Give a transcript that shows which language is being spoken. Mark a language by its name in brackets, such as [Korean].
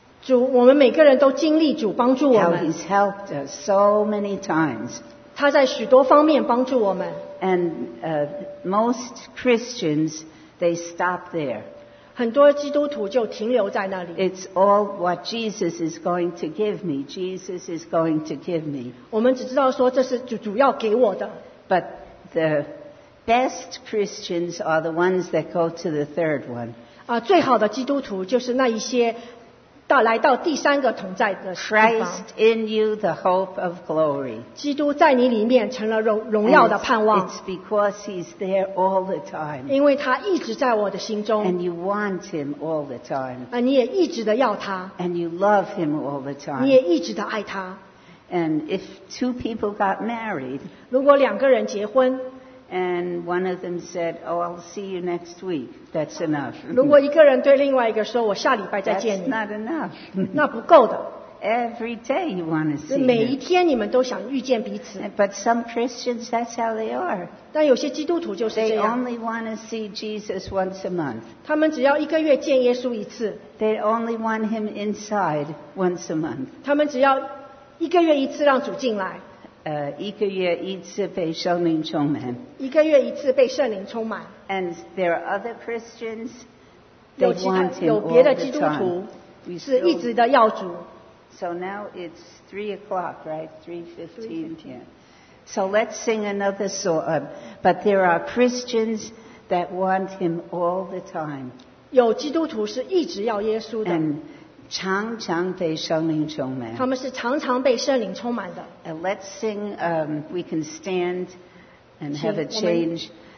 [Chinese] 主，我们每个人都经历主帮助我们。 [English] He's helped us so many times. [Chinese] 他在许多方面帮助我们。 [English] And most Christians, they stop there. [Chinese] 很多基督徒就停留在那里。 [English] It's all what Jesus is going to give me. Jesus is going to give me. [Chinese] 我们只知道说这是主要给我的。 [English] But the best Christians are the ones that go to the third one. [Chinese] 最好的基督徒就是那一些来到第三个同在的地方。 [English] Christ in you, the hope of glory. [Chinese] 基督在你里面成了荣耀的盼望。 [English] It's because he's there all the time. [Chinese] 因为他一直在我的心中。 [English] And you want him all the time. [Chinese] 你也一直的要他。 [English] And you love him all the time. [Chinese] 你也一直的爱他。 [English] And if two people got married, [Chinese] 如果两个人结婚。 [English] And one of them said, "Oh, I'll see you next week." That's enough. [Chinese] 如果一个人对另外一个说，我下礼拜再见你。 [English] That's not enough. [Chinese] 那不够的。 [English] Every day you want to see. [Chinese] 每一天你们都想遇见彼此。 [English] But some Christians, that's how they are. [Chinese] 但有些基督徒就是这样。 [English] They only want to see Jesus once a month. [Chinese] 他们只要一个月见耶稣一次。 [English] They only want him inside once a month. [Chinese] 他们只要一个月一次让主进来。一个月一次被圣灵充满。一个月一次被圣灵充满。 [English] And there are other Christians, they want him all the time. [Chinese] 有别的基督徒是一直的要主。 [English] So now it's 3 o'clock, right? 3:15. So let's sing another song. But there are Christians that want him all the time. [Chinese] 有基督徒是一直要耶稣的。 And常常被圣灵充满。他们是常常被圣灵充满的。 [English] And let's sing, we can stand and have a change.